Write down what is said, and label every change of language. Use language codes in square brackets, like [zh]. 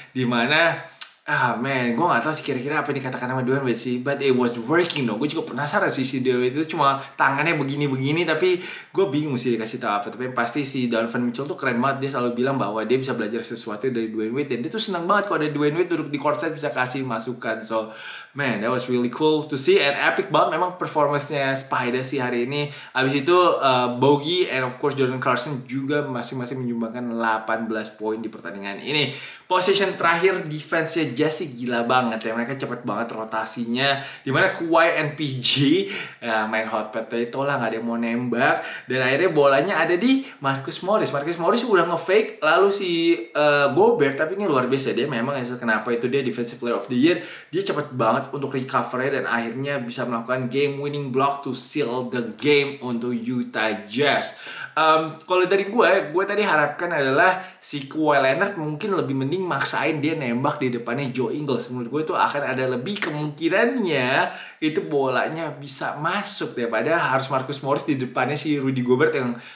[id] Dimana, man, gue gak tau sih kira-kira apa yang dikatakan sama Dwayne Wade sih. [en] But it was working though. [id] Gue juga penasaran sih si Dwayne Wade itu cuma tangannya begini-begini. Tapi gue bingung sih dikasih tau apa. Tapi yang pasti si Donovan Mitchell tuh keren banget. Dia selalu bilang bahwa dia bisa belajar sesuatu dari Dwayne Wade. Dan dia tuh senang banget kalau ada Dwayne Wade duduk di courtside bisa kasih masukan. [en] So, man, that was really cool to see and [id] epic banget memang performance-nya Spider sih hari ini. Abis itu, Bogey and of course Jordan Clarkson juga masing-masing menyumbangkan 18 poin di pertandingan ini. Position terakhir defense-nya Jazz gila banget ya. Mereka cepet banget rotasinya. Dimana Kawhi and PG main hot potato lah, gak ada yang mau nembak. Dan akhirnya bolanya ada di Marcus Morris. Marcus Morris udah nge-fake, lalu si Gobert, tapi ini luar biasa dia memang. Kenapa itu dia defensive player of the year. Dia cepet banget untuk recovery dan akhirnya bisa melakukan [en] game winning block to seal the game [id] untuk Utah Jazz. Kalau dari gue tadi harapkan adalah si Kawhi Leonard mungkin lebih mending maksain dia nembak di depannya Joe Ingles. Menurut gue itu akan ada lebih kemungkinannya itu bolanya bisa masuk daripada harus Marcus Morris di depannya si Rudy Gobert yang